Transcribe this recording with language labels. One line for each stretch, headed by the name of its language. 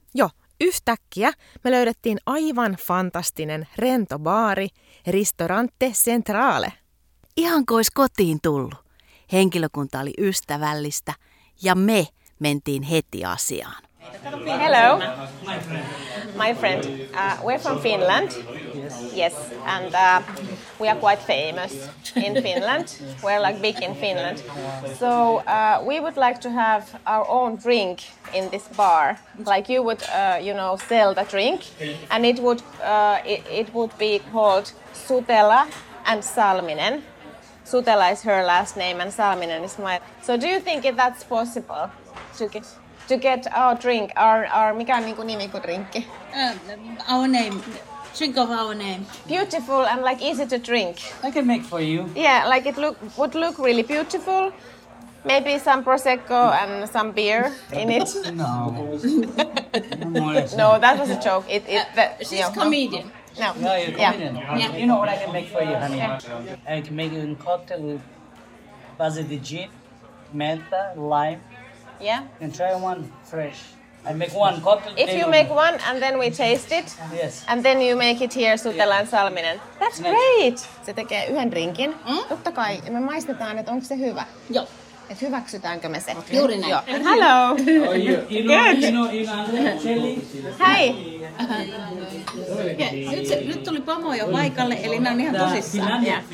Finnish: Joo, yhtäkkiä me löydettiin aivan fantastinen rento baari, Ristorante Centrale. Ihan kuin olisi kotiin tullut. Henkilökunta oli ystävällistä ja me mentiin heti asiaan.
English: Hello, my friend. We're from Finland. Yes, and we are quite famous in Finland. We're like big in Finland. So we would like to have our own drink in this bar. Like you would, sell the drink, and it would be called Sutela and Salminen. Sutela is her last name, and Salminen is my. So do you think that's possible? To get our drink, our
Finnish: mikä on niinku nimi kuin drinkki?
English: Our name, drink of our name. Beautiful and like easy to drink. I can make for you. Yeah, like it would look really beautiful. Maybe some prosecco and some beer in it. No. No, that was a joke. She's a comedian. No. No, you're a comedian. Yeah. You know what I can make for you, honey? Yeah. I can make you a cocktail with basil de gin, menta, lime. Yeah. And try one fresh. I make one cocktail. If you make one and then we taste it. Yes. And then you make it here Sutela and Salminen. That's great.
Finnish: Se tekee yhden drinkin. Mm? Totta kai. Me maistetaan, että onko se hyvä. Joo. Et hyväksytäänkö me se? Okay. Juuri näin. Joo.
English: Hello. Good.
Finnish: Hei. Nyt tuli pomo jo paikalle, eli nämä on ihan tosissaan.